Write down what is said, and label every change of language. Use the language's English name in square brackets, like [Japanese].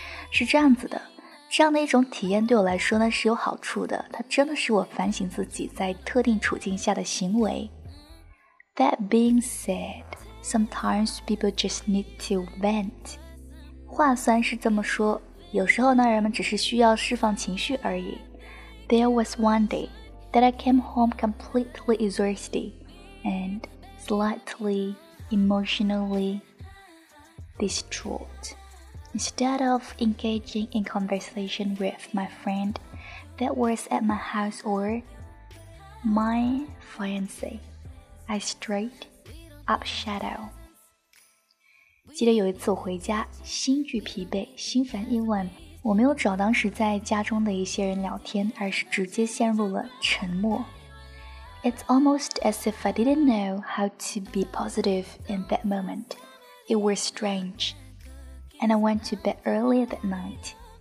[Chinese] 是这样子的，这样的一种体验对我来说呢是有好处的，它真的是我反省自己在特定处境下的行为。 [English] That being said, sometimes people just need to vent. [Chinese] 话虽然是这么说，有时候呢人们只是需要释放情绪而已。 [English] There was one day that I came home completely exhausted and slightly emotionally distraught. Instead of engaging in conversation with my friend that was at my house or my fiancé, I straight up shadow. [Chinese] 记得有一次我回家，心绪疲惫，心烦意乱，我没有找当时在家中的一些人聊天，而是直接陷入了沉默。 [English] It's almost as if I didn't know how to be positive in that moment. It was strange. And I went to bed earlier that night.